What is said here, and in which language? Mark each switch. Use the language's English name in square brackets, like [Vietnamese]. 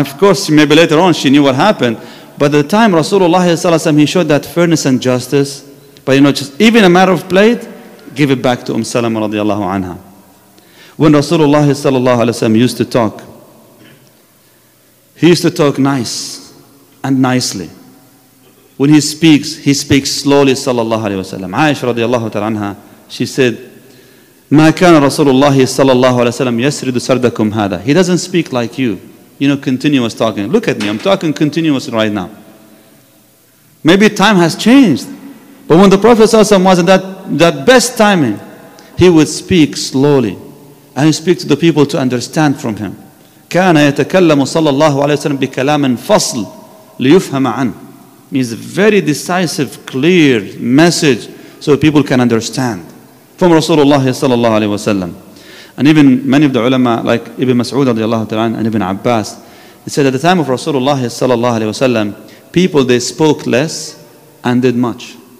[English] Of course, maybe later on she knew what happened. But at the time Rasulullah sallallahu, he showed that fairness and justice. But you know, just even a matter of plate, give it back to Salama radiallahu anha. When Rasulullah sallallahu alayhi wa sallam used to talk, he used to talk nice and nicely. When he speaks slowly, sallallahu alayhi wa sallam. Aisha radiallahu ta'ala anha, she said, [Arabic] ما كان رسول الله صلى الله عليه وسلم يسرد سردكم هذا. [English] He doesn't speak like you. You know, continuous talking. Look at me, I'm talking continuous right now. Maybe time has changed. But when the Prophet صلى الله عليه وسلم was in that best timing, he would speak slowly. And speak to the people to understand from him. [Arabic] كان يتكلم صلى الله عليه وسلم بكلام فصل ليفهم عنه. [English] Means a very decisive, clear message so people can understand. From Rasulullah sallallahu alayhi wa sallam. And even many of the ulama, like Ibn Mas'ud radiallahu ta'ala and Ibn Abbas, they said at the time of Rasulullah sallallahu alayhi wa sallam, people, they spoke less and did much.